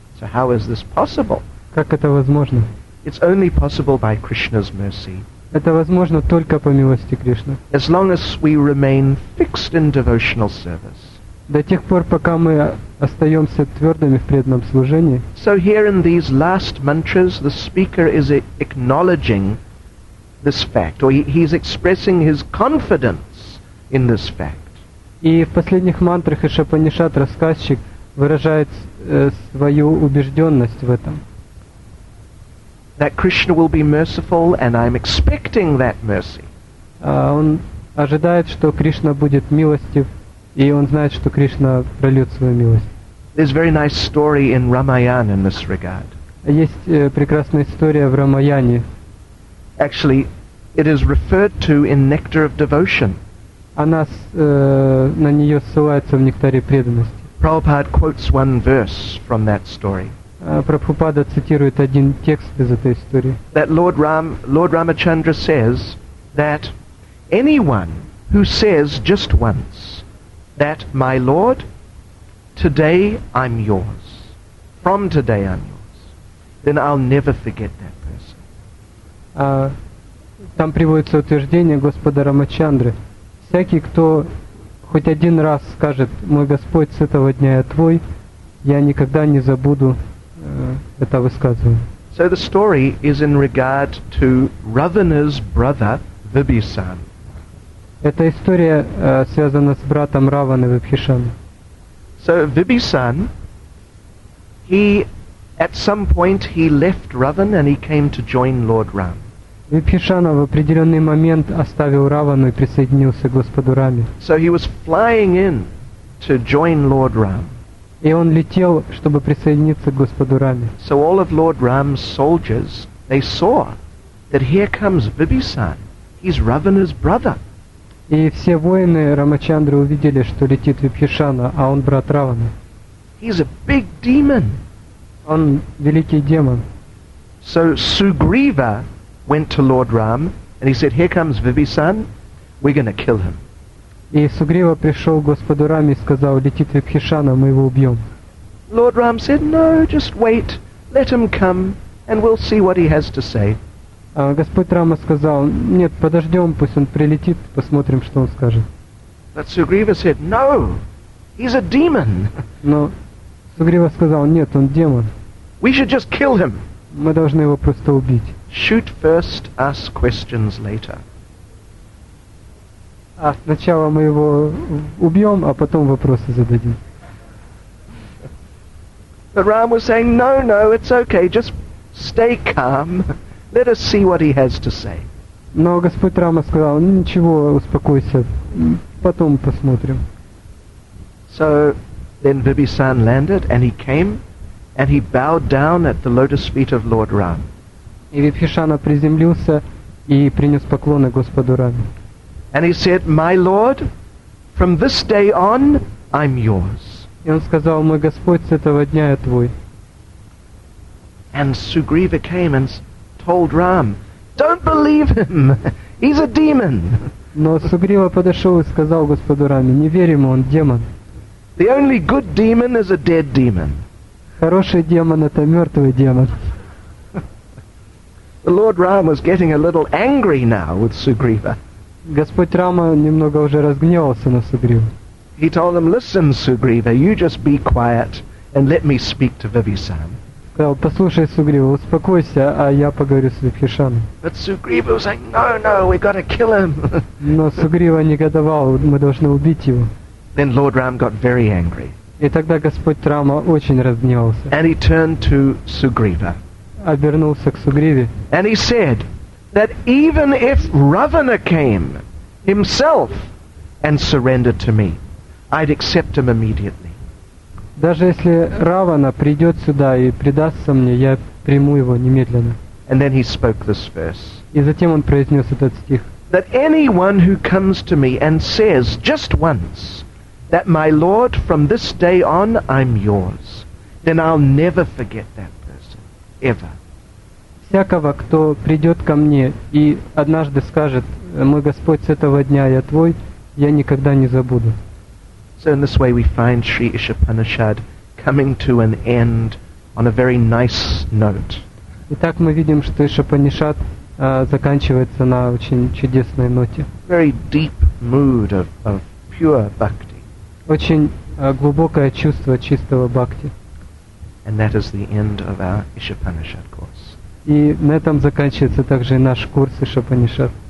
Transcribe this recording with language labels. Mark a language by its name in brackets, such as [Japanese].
[English] So how is this possible? [Russian] Как это возможно? [English] It's only possible by Krishna's mercy. [Russian] Это возможно только по милости Кришны. [English] As long as we remain fixed in devotional service. [Russian] До тех пор, пока мы остаемся твердыми в преданном служении. [English] So here in these last mantras, the speaker is acknowledging this fact, or he is expressing his confidence in this fact. [Russian] И в последних мантрах Ишапанишат рассказчик выражает свою убежденность в этом. [English] That Krishna will be merciful, and I'm expecting that mercy. [Russian] Он ожидает, что Кришна будет милостив, и он знает, что Кришна прольет свою милость. [English] There's a very nice story in Ramayana in this regard. [Russian] Есть прекрасная история в Рамаяне. [English] Actually, it is referred to in Nectar of Devotion. [Russian] Она на нее ссылается в Нектаре преданности. [English] Prabhupada quotes one verse from that story. [Russian] Прабхупада цитирует один текст из этой истории. [English] That Lord Ramachandra says that anyone who says just once that my Lord, today I'm yours, from today I'm yours, then I'll never forget that person. [Russian] Там приводится утверждение Господа Рамачандры. Всякий, кто хоть один раз скажет, мой Господь, с этого дня я твой, я никогда не забуду это высказывание. [English] So the story is in regard to Ravana's brother Vibhishan. [Russian] Эта история связана с братом Раваны Вибхишаны. [English] So Vibhishan, he at some point he left Ravan and he came to join Lord Ram. [Russian] Випхишана в определенный момент оставил Равану и присоединился к Господу Раме. [English] So he was flying in to join Lord Ram. [Russian] И он летел, чтобы присоединиться к Господу Раме. [English] So all of Lord Ram's soldiers, they saw that here comes Vibhishan. He's Ravana's brother. [Russian] И все воины Рамачандры увидели, что летит Випхишана, а он брат Раваны. [English] He's a big demon. [Russian] Он великий демон. [English] So Sugriva went to Lord Ram and he said, here comes Vibhishan, we're going to kill him. [Russian] И Сугрива пришел к Господу Раме и сказал, летит Вибхишана, мы его убьем. [English] Lord Ram said, no, just wait, let him come and we'll see what he has to say. [Russian] Господь Рама сказал, нет, подождем, пусть он прилетит, посмотрим, что он скажет. [English] But Sugriva said, no, he's a demon. [Russian] Но Сугрива сказал, нет, он демон. [English] We should just kill him. [Russian] Мы должны его просто убить. [English] Shoot first, ask questions later. [Russian] А сначала мы его убьем, а потом вопросы зададим. [English] But Ram was saying, no, no, it's okay, just stay calm. Let us see what he has to say. [Russian] Но Господь Рама сказал, ничего, успокойся, потом посмотрим. [English] So then Vibhishan landed and he came and he bowed down at the lotus feet of Lord Ram. [Russian] И Випхишана приземлился и принес поклоны Господу Раме. [English] And he said, my Lord, from this day on, I'm yours. [Russian] И он сказал, мой Господь, с этого дня я твой. [English] And Sugriva came and told Ram, don't believe him. He's a demon. [Russian] Но Сугрива подошел и сказал Господу Раме: не верим, он демон. [English] The only good demon is a dead demon. [Russian] Хороший демон это мертвый демон. [English] The Lord Ram was getting a little angry now with Sugriva. [Russian] Господь Рама немного уже разгневался на Сугриву. [English] He told him, "Listen, Sugriva, you just be quiet and let me speak to Vibhishan." [Russian] Сказал: послушай, Сугрива, успокойся, а я поговорю с Вибхишаной. [English] But Sugriva was like, "No, no, we got to kill him." [Russian] Но Сугрива негодовал, мы должны убить его. [English] Then Lord Ram got very angry. [Russian] И тогда Господь Рама очень разгневался. [English] And he turned to Sugriva. [Russian] Обернулся к Сугриве. [English] And he said that even if Ravana came himself and surrendered to me, I'd accept him immediately. [Russian] Даже если Равана придет сюда и предастся мне, я приму его немедленно. [English] And then he spoke this verse. [Russian] И затем он произнес этот стих. [English] That anyone who comes to me and says just once that my Lord, from this day on, I'm yours, then I'll never forget that person, ever. [Russian] Всякого, кто придет ко мне и однажды скажет, мой Господь, с этого дня я твой, я никогда не забуду. [English] So in this way we find Sri Ishapanishad coming to an end on a very nice note. [Russian] Итак, мы видим, что Ишапанишад заканчивается на очень чудесной ноте. [English] Very deep mood of pure bhakti. [Russian] Очень глубокое чувство чистого бхакти. [English] And that is the end of our Ishapanishad course. [Russian] И на этом заканчивается также наш курс Ишапанишад.